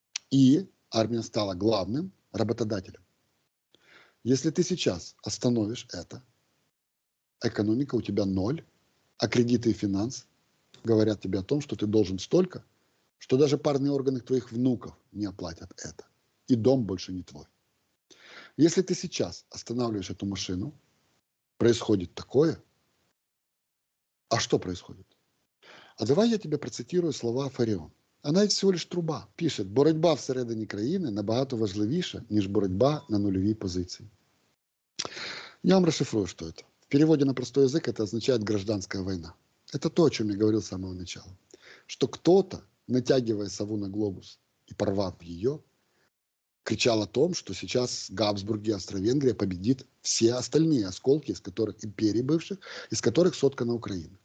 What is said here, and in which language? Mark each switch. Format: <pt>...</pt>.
<ru>И армия стала главным работодателем. Если ты сейчас остановишь это, экономика у тебя ноль, а кредиты и финансы говорят тебе о том, что ты должен столько, что даже парные органы твоих внуков не оплатят это. И дом больше не твой. Если ты сейчас останавливаешь эту машину, происходит такое. А что происходит? А давай я тебе процитирую слова Фаріон. Она ведь всего лишь труба.</ru> <uk>Пишет, боротьба всередині країни набагато важливіша, ніж боротьба на нульовій позиції.</uk> <ru>Я вам расшифрую, что это. В переводе на простой язык это означает гражданская война. Это то, о чем я говорил с самого начала. Что кто-то, натягивая сову на глобус и порвав ее, кричал о том, что сейчас Габсбурги, Австро-Венгрия победит все остальные осколки, из которых империи бывших, из которых соткана Украина.</ru>